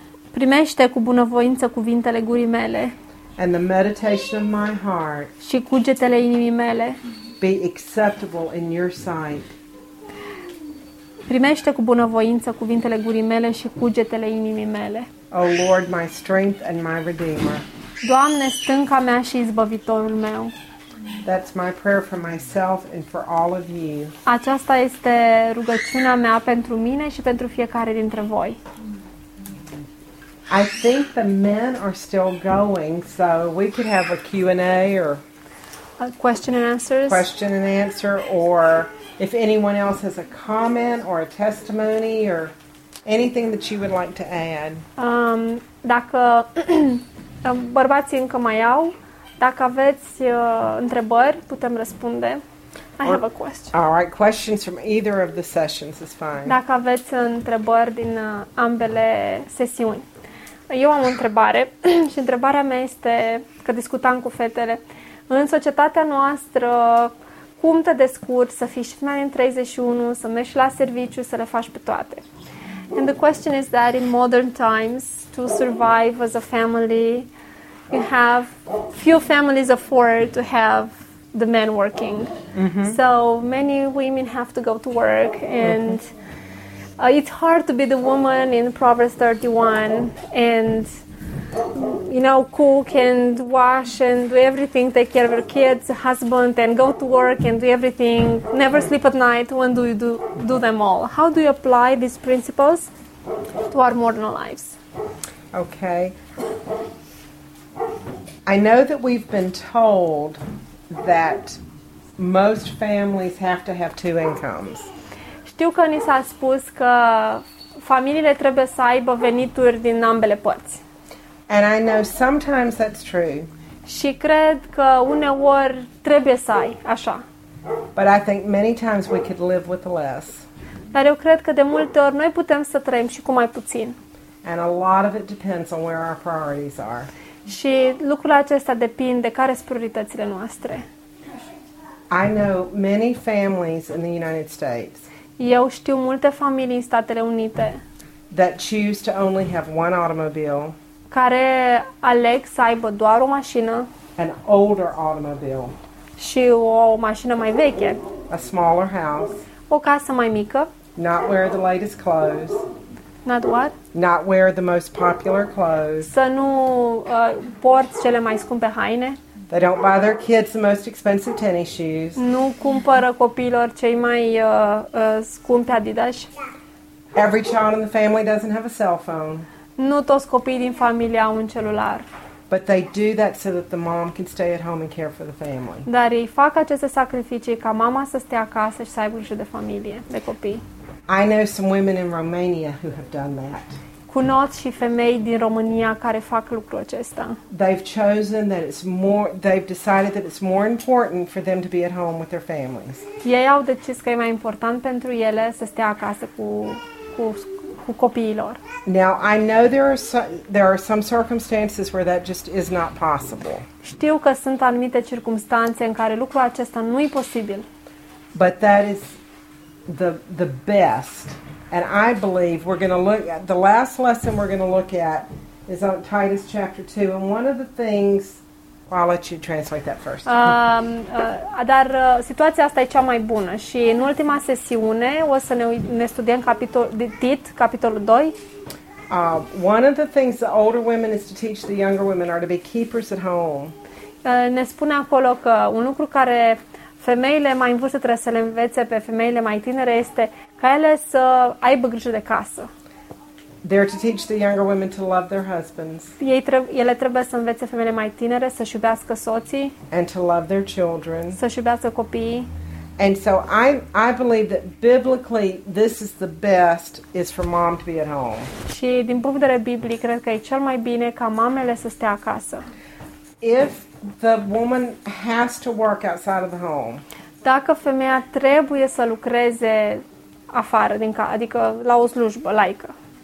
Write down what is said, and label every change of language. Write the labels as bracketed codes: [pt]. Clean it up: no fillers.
[ro] Primește cu bunăvoință cuvintele gurii mele. [en] And the meditation of my heart. [ro] Și cugetele inimii mele. [en] Be acceptable in your sight. [ro] Primește cu bunăvoință cuvintele gurii mele și cugetele inimii mele. [en] O Lord, my strength and my redeemer. [ro] Doamne, stânca mea și izbăvitorul meu. [en] That's my prayer for myself and for all of you. [ro] Aceasta este rugăciunea mea pentru mine și pentru fiecare dintre voi. [en] I think the men are still going, so we could have a Q&A or a question and answers. Question and answer, or if anyone else has a comment or a testimony or anything that you would like to add. [ro] Dacă bărbații încă mai au. Dacă aveți întrebări, putem răspunde. [en] Have a question. All right, questions from either of the sessions is fine. [ro] Dacă aveți întrebări din ambele sesiuni. Eu am o întrebare și întrebarea mea este că discutam cu fetele. În societatea noastră, cum te descurci să fii și mai în 31, să mergi la serviciu, să le faci pe toate? [en] And the question is that in modern times, to survive as a family, you have few families afford to have the men working. Mm-hmm. So many women have to go to work, and It's hard to be the woman in Proverbs 31 and, you know, cook and wash and do everything, take care of her kids, husband, and go to work and do everything, never sleep at night. When do you do them all? How do you apply these principles to our modern lives? Okay. I know that we've been told that most families have to have two incomes. [ro] Știu că ni s-a spus că familiile trebuie să aibă venituri din ambele părți. [en] And I know sometimes that's true. [ro] Și cred că uneori trebuie să ai așa. [en] But I think many times we could live with less. [ro] Dar eu cred că de multe ori noi putem să trăim și cu mai puțin. [en] And a lot of it depends on where our priorities are. [ro] Și lucrul acesta depinde de care sunt prioritățile noastre. [en] I know many families in the United States. [ro] Eu știu multe familii în Statele Unite [en] that choose to only have one automobile, [ro] care aleg să aibă doar o mașină, [en] an older automobile, [ro] și o mașină mai veche, [en] a smaller house, [ro] o casă mai mică, [en] not wear the latest clothes, not what? Not wear the most popular clothes, [ro] să nu porți cele mai scumpe haine. [en] They don't buy their kids the most expensive tennis shoes. [ro] Nu cumpără copiilor cei mai scumpi Adidas. [en] Every child in the family doesn't have a cell phone. [ro] Nu toți copiii din familie au un celular. [en] But they do that so that the mom can stay at home and care for the family. [ro] Dar ei fac aceste sacrificii ca mama să stea acasă și să aibă grijă de familie, de copii. [en] I know some women in Romania who have done that. [ro] Cunosc și femei din România care fac lucrul acesta. [en] They've chosen that it's more, they've decided that it's more important for them to be at home with their families. [ro] Ei au decis că e mai important pentru ele să stea acasă cu copiilor. [en] Now, I know there are some circumstances where that just is not possible. [ro] Știu că sunt anumite circumstanțe în care lucrul acesta nu e posibil. [en] But that is the best. And I believe we're going to look at the last lesson we're going to look at is on Titus chapter 2. And one of the things, well, I'll let you translate that first. [ro] Dar situația asta e cea mai bună. Și în ultima sesiune o să ne studiem capitolul 2. [en] One of the things the older women is to teach the younger women are to be keepers at home. [ro] Ne spune acolo că un lucru care femeile mai în vârstă trebuie să le învețe pe femeile mai tinere este ca ele să aibă grijă de casă. [en] They're to teach the younger women to love their husbands. [ro] Ele trebuie să învețe femeile mai tinere să iubească soții. [en] And to love their children. [ro] Să iubească copiii. [en] And so I believe that biblically this is the best is for mom to be at home. [ro] Și din punct de vedere biblic cred că e cel mai bine ca mamele să stea acasă. [en] If the woman has to work outside of the home. [ro] Dacă femeia trebuie să lucreze afară din casă, adică la o slujbă laică.